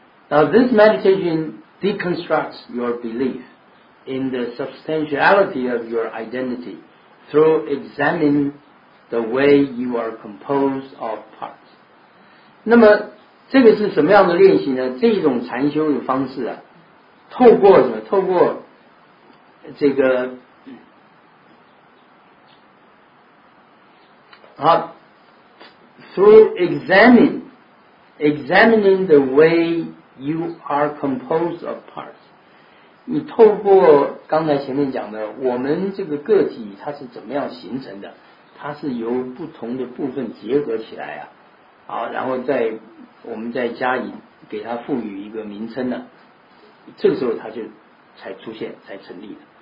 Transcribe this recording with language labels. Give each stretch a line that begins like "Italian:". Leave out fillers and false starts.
English: Now this meditation deconstructs your belief in the substantiality of your identity through examining the way you are composed of parts。
Chinese: 那么这个是什么样的练习呢？这一种禅修的方式啊，透过什么？透过这个啊，
English: through examining the way you are composed of parts。
Chinese: 你透过刚才前面讲的，我们这个个体它是怎么样形成的，它是由不同的部分结合起来啊，好，然后我们再加以给它赋予一个名称呢，这个时候它就才出现才成立的。